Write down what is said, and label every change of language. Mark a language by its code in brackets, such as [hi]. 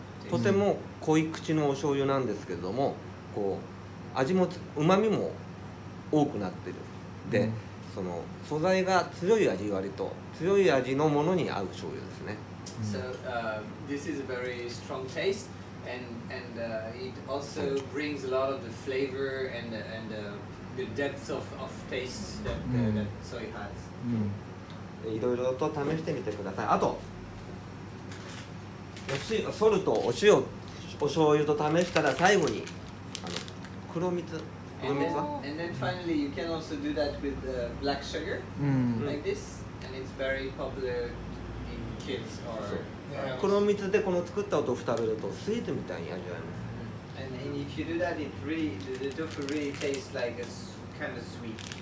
[ja] とても濃い口のお醤油なんですけれども、こう味もうまみも多くなってる。で、その素材が強い味、割と強い味のものに合う醤油ですね。 [en] So, this is a very strong taste and it also brings a lot of the flavor and the depth of taste that soy has. [ja] いろいろと試してみてください。あとソルト、お塩、お醤油と試したら最後に黒蜜、黒蜜は？ [en] And then finally you can also do that with black sugar, like this, and it's very popular in kids or. [ja] 黒蜜でこの作ったお豆腐食べるとスイーツみたいに味わえます。 [en] And if you do that, it really, the tofu really tastes like a kind of sweet.